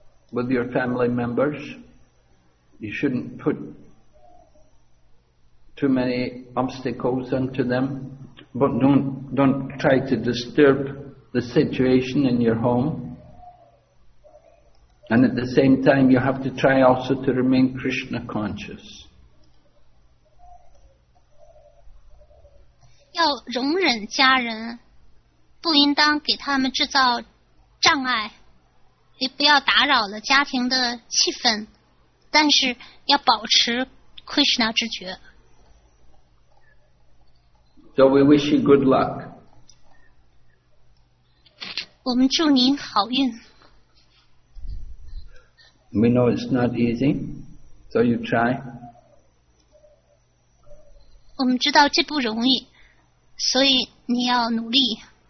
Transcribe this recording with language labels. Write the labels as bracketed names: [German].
[English] With your family members, you shouldn't put too many obstacles onto them, but don't try to disturb the situation in your home. And at the same time, you have to try also to remain Krishna conscious. [Chinese] 要容忍家人，不应当给他们制造障碍。也不要打扰了家庭的气氛，但是要保持 Krishna 之觉。 [English] So we wish you good luck. [Chinese] 我们祝您好运。 [English] We know it's not easy, so you try. [Chinese] 我们知道这不容易，所以你要努力。